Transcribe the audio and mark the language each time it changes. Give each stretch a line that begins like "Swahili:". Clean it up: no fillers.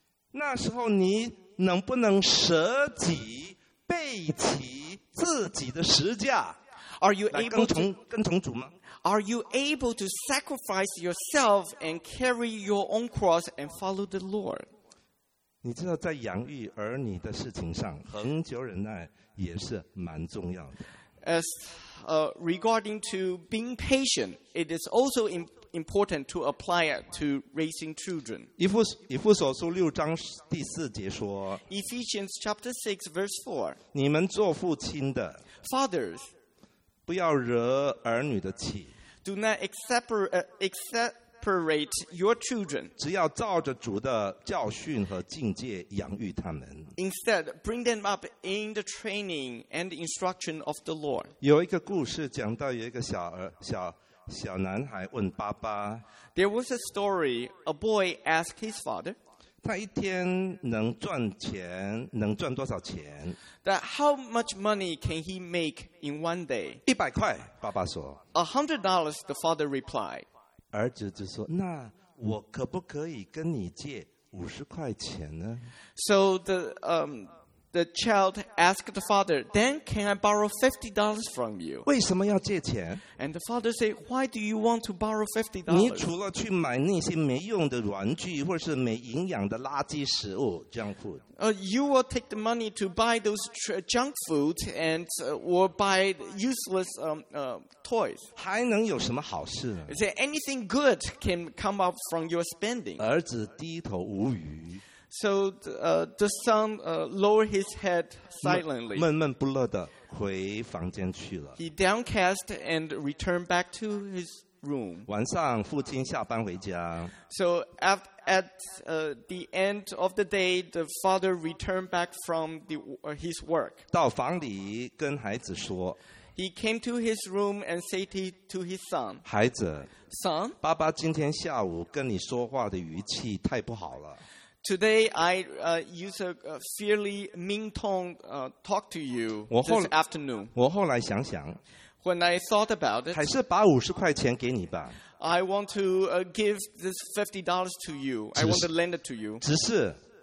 Chinese: 那时候你能不能舍己背起自己的十字架？
English: Are you able to
Chinese: 跟从主吗？
English: Are you able to sacrifice yourself and carry your own cross and follow the Lord？
Chinese: 你知道，在养育儿女的事情上，恒久忍耐也是蛮重要的。
English: As regarding to being patient, it is also important to apply it to raising children.
Chinese: 以弗所书六章第四节说
English: Ephesians chapter 6 verse 4
Chinese: 你们做父亲的
English: Fathers
Chinese: 不要惹儿女的气
English: Do not exasperate your children
Chinese: 只要照着主的教训和境界养育他们
English: Instead, bring them up in the training and instruction of the Lord.
Chinese: 有一个故事讲到有一个小男孩问爸爸
English: There was a story, a boy asked his father
Chinese: 他一天能赚钱，能赚多少钱？
English: That how much money can he make in one day?
Chinese: 100块，爸爸说。
English: $100, the father replied.
Chinese: 儿子就说，那我可不可以跟你借50块钱呢？
English: So the The child asked the father, then can I borrow $50 from you?
Chinese: 为什么要借钱?
English: And the father said, why do you want to borrow $50?
Chinese: 你除了去买那些没用的玩具或是没营养的垃圾食物
English: junk food. You will take the money to buy those junk food and or buy useless toys.
Chinese: 还能有什么好事呢?
English: Is there anything good can come up from your spending?
Chinese: 儿子低头无语。
English: So the son lowered his head silently.
Chinese: 闷闷不乐地回房间去了。
English: He downcast and returned back to his room.
Chinese: 晚上父亲下班回家。
English: So at the end of the day, the father returned back from his work.
Chinese: 到房里跟孩子说。
English: He came to his room and said to his son,
Chinese: 孩子。
English: Son?
Chinese: 爸爸今天下午跟你说话的语气太不好了。
English: Today I use a fairly mean tone talk to you this afternoon.
Chinese: 我后来想想,
English: when I thought about it,
Chinese: 还是把50块钱给你吧。
English: I want to give this $50 to you. I want to lend it to you.
Chinese: 只是,